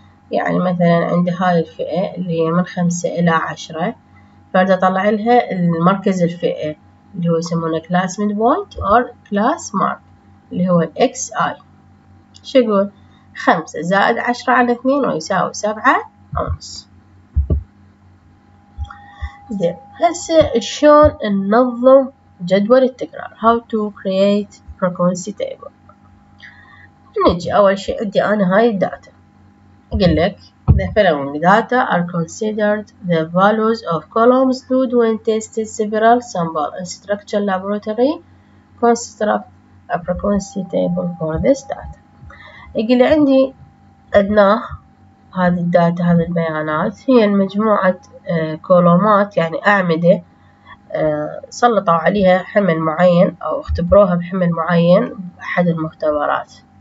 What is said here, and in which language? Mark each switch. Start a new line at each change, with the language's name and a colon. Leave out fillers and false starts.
Arabic: يعني مثلا عندي هاي الفئة اللي هي من 5 إلى 10، فأرد أطلع لها المركز الفئة اللي هو يسمونه
English: class midpoint or class mark
Arabic: اللي هو xi. شو يقول؟ 5 زائد 10 على 2 ويساوي 7.5. زين، هسه شلون ننظم جدول التكرار؟
English: How to create frequency table.
Arabic: نجي أول شيء، عندي أنا هاي الداتا، أقول لك
English: the following data are considered the values of columns used when tested several sample in structure laboratory. Construct a frequency table for this data.
Arabic: يقول لي عندي أدنى هذه الداتا، هذه البيانات هي مجموعة كولومات، يعني أعمدة سلطوا عليها حمل معين أو اختبروها بحمل معين بأحد المختبرات.